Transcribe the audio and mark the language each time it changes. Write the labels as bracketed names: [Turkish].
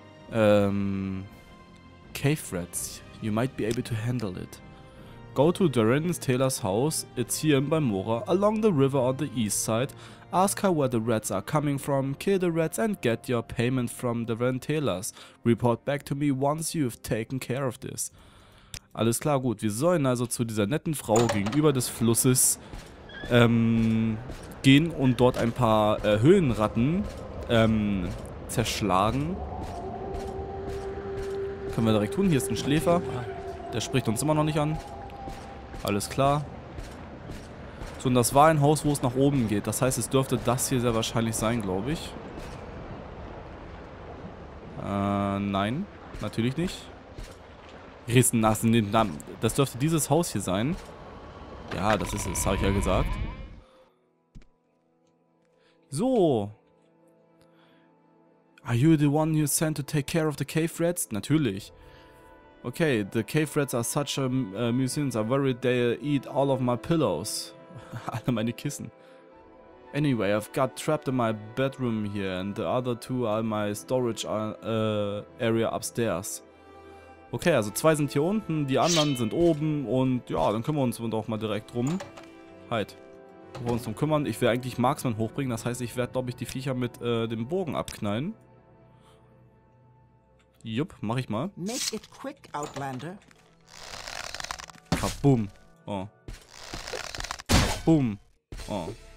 [English] Cave Rats, you might be able to handle it. Go to Durin's Taylor's house, it's here in Balmora, along the river on the east side. Ask her where the rats are coming from, kill the rats and get your payment from Durin Taylor's. Report back to me once you've taken care of this. [German] Alles klar, gut, wir sollen also zu dieser netten Frau gegenüber des Flusses gehen und dort ein paar Höhlenratten zerschlagen. Können wir direkt tun, hier ist ein Schläfer, der spricht uns immer noch nicht an. Alles klar. So, und das war ein Haus, wo es nach oben geht. Das heißt, es dürfte das hier sehr wahrscheinlich sein, glaube ich. Nein. Natürlich nicht. Rissen lassen. Das dürfte dieses Haus hier sein. Ja, das ist es, habe ich ja gesagt. So. [English] Are you the one you sent to take care of the cave rats? [German] Natürlich. [English] Okay, the cave rats are such a nuisance. I'm worried they eat all of my pillows. [German] Alle meine Kissen. [English] Anyway, I've got trapped in my bedroom here and the other two are in my storage area upstairs. [German] Okay, also zwei sind hier unten, die anderen sind oben und ja, dann kümmern wir uns auch mal direkt drum. Halt. Wir wollen uns drum kümmern. Ich will eigentlich Marksman hochbringen, das heißt, ich werde, glaube ich, die Viecher mit dem Bogen abknallen. Jupp, mach ich mal. [English] Make it quick, Outlander. [German] Kaboom. Oh. Kaboom. Oh.